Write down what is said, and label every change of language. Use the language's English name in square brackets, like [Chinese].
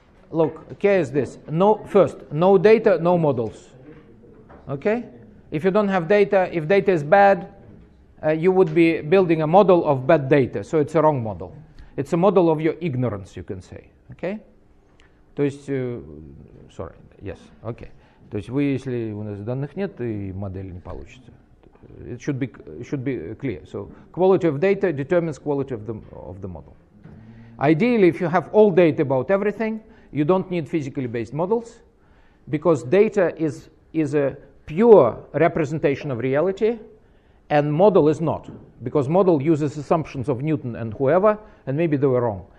[English] Look, care is this. No data, no models. Okay? If you don't have data, if data is bad, you would be building a model of bad data. So it's a wrong model. It's a model of your ignorance, you can say. Okay? [Russian] То есть, [English] sorry, yes, okay. [Russian] То есть, вы, если у нас данных нет, и модель не получится. [English] It should be clear. So quality of data determines quality of the model. Ideally, if you have all data about everything, you don't need physically based models, because data is a pure representation of reality, and model is not, because model uses assumptions of Newton and whoever, and maybe they were wrong.